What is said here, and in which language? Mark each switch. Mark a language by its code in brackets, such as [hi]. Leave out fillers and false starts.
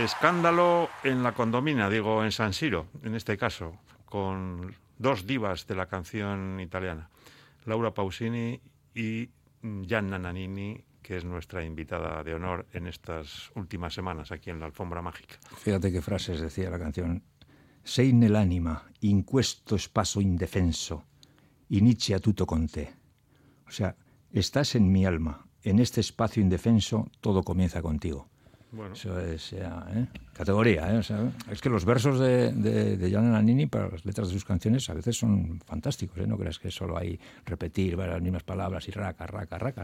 [es] Escándalo en la Condomina, digo, en San Siro, en este caso, con dos divas de la canción italiana, Laura Pausini y Gianna Nannini, que es nuestra invitada de honor en estas últimas semanas aquí en la Alfombra Mágica. Fíjate qué frases decía la canción. [it] Sei nell'anima, in questo spazio indefenso, inizia tutto con te. [es] O sea, estás en mi alma. En este espacio indefenso, todo comienza contigo. Bueno. Eso es ya, categoría. O sea, es que los versos de Gianni Nannini para las letras de sus canciones a veces son fantásticos. No creas que solo hay repetir las mismas palabras y raca, raca, raca.